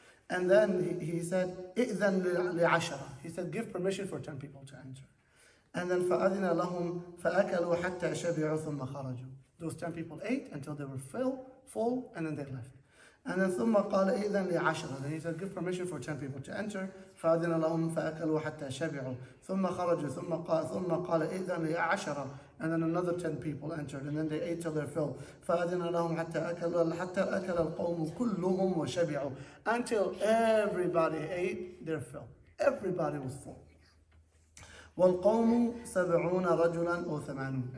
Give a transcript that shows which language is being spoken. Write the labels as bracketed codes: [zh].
[en] And then he said, [ar] "Izan li'ashara." [en] He said, "Give permission for 10 people to enter." And then [ar] fa'adina lahum fa'akalu hatta shabi'u thumma kharaju. [en] Those 10 people ate until they were full, and then they left. And then [ar] thumma qala izan li'ashara. [en] Then he said, "Give permission for 10 people to enter." [ar] فأذن لهم فأكلوا حتى شبعوا ثم خرجوا ثم قال إذن يا عشرة. [en] And then another 10 people entered, and then they ate till their fill. [ar] فَأَذِنَ لَهُمْ حَتَّى أَكَلَ الْقَوْمُ كُلُّهُمْ وَشَبِعُوا. [en] Until everybody ate their fill. Everybody was full. [ar] وَالْقَوْمُ سَبْعُونَ رَجُلًا أَوْ ثَمَانُونَ.